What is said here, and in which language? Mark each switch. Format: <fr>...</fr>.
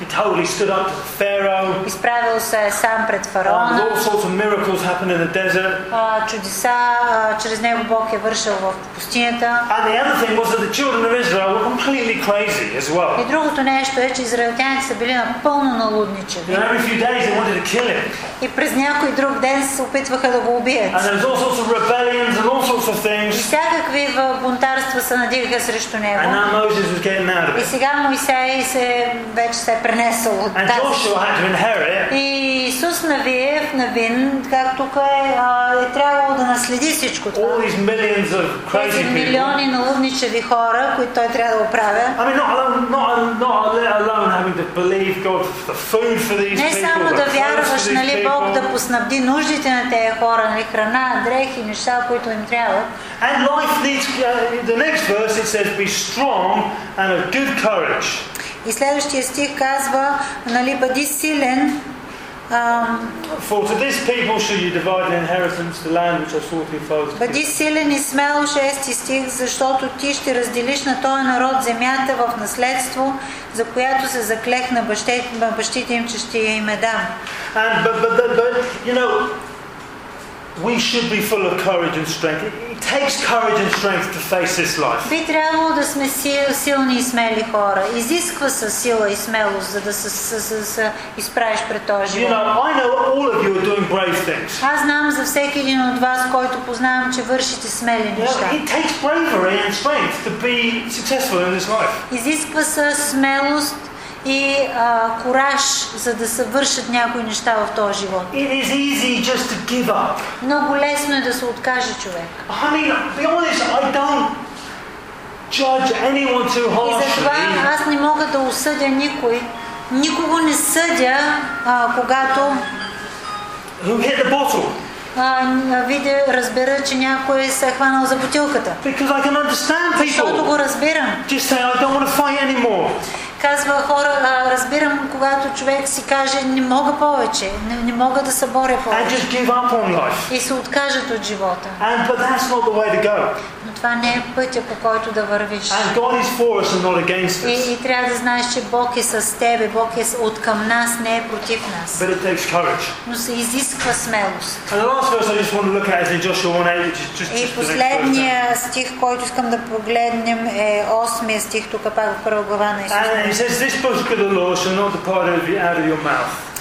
<en>He totally stood up to Pharaoh.</en> <bg>Изправил се сам пред фараона.</bg> <en>All sorts of miracles happened in the desert.</en> <bg>Чудеса чрез него Бог е вършил в пустинята.</bg> <en>And the other thing was that the children of Israel were completely crazy as well.</en> <bg>И другото нещо е, че израелтяните са били напълно налудничави.</bg> <en>And every few days they wanted to kill him.</en> <bg>И през някой друг ден се опитваха да го убият.</bg> <en>And there was all sorts of rebellions and all sorts of things.</en> <bg>И всякакви бунтарства се надигаха срещу него.</bg> <en>And now Moses was getting out of it.</en> <bg>И сега Моисей вече се е пренесъл от тази.</bg> <en>And Joshua had to inherit.</en> <bg>И Исус Навиев, Навин, както тук е трябвало да наследи всичко това.</bg> <en>All these millions of crazy people.</en> <bg>Тези милиони налудничави хора, които той трябва да оправя.</bg> <en>I mean, not alone having to believe God for the food for these people.</en> <bg>Не само да вярваш, нали, Бог да поснабди нуждите на тези хора, нали, храна, дрехи, неща, които им трябва.</bg> <en>And life needs, the next verse it says, be strong and of good courage.</en> <bg>И следващия стих казва, нали, бъди силен.</bg> <en>For to this people shall you divide the inheritance, the land which I swore to your fathers.</en> <bg>Бъди силен и смел, шести стих, защото ти ще разделиш на този народ земята в наследство, за която се заклех на бащите им, че ще я им дам.</bg> <en>And but you know, we should be full of courage and strength. It takes courage and strength to face this life.</en> <bg>Би трябвало да сме силни и смели хора. Изисква се сила и смелост, за да се изправиш пред този живот.</bg> <en>You know, I know all of you are doing brave things.</en> <bg>Аз знам за всеки един от вас, който познавам, че вършите смели неща.</bg> <en>It takes bravery and strength to be successful in this life.</en> <bg>Изисква се смелост и кураж, за да се вършат някои неща в този живот.</bg> <en>It is easy just to give up.</en> <bg>Много лесно е да се откаже човек.</bg> <en>I mean, be honest, I don't judge anyone too harshly.</en> <bg>И затова аз не мога да осъдя никой. Никого не съдя, когато</bg> <en>who hit the bottle.</en> <bg>Видя, разбира, че някой се е хванал за бутилката.</bg> <en>Because I can understand people.</en> <bg>Защото го разбирам.</bg> <en>Just say, I don't want to fight anymore.</en> <bg>казва хора, разбирам, когато човек си каже, не мога повече, не мога да се боря повече. И се откажат от живота.</bg> <en>And, but that's not the way to go.</en> <bg>Но това не е пътя, по който да вървиш.</bg> <en>And God is for us and not against us.</en> <bg>И трябва да знаеш, че Бог е с тебе, Бог е от към нас, не е против нас.</bg> <en>But it takes courage.</en> <bg>Но се изисква смелост.</bg> <en>And the last verse I just want to look at is in Joshua 1:8, which is just</en> <bg>и последният стих, който искам да погледнем, е 8 стих, тук пак в първа глава на Исус.</bg> <en>And he says, this book of the law shall not depart out of your mouth.</en>